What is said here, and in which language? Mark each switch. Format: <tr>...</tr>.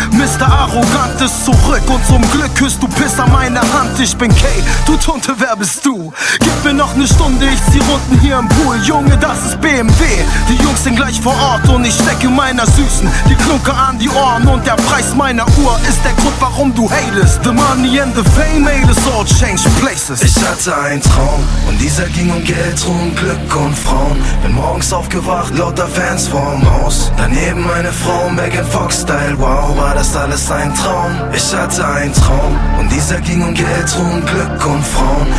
<de>Mister Arrogant ist zurück und zum Glück küsst du Piss an meiner Hand. Ich bin K, du Tunte, wer bist du? Gib mir noch ne Stunde, ich zieh Runden hier im Pool. Junge, das ist BMW, die Jungs sind gleich vor Ort. Und ich stecke meiner Süßen die Klunker an die Ohren. Und der Preis meiner Uhr ist der Grund, warum du hatest.</de> <en>The money and the fame made us all change places.</en> <de>Ich hatte einen Traum und dieser ging um Geld, Ruhm, Glück und Frauen. Bin morgens aufgewacht, lauter Fans vorm Haus. Daneben meine Frau, Megan Fox Style. Wow, war das alles ein Traum? Ich hatte einen Traum und dieser ging um Geld, Ruhm, Glück und Frauen.</de>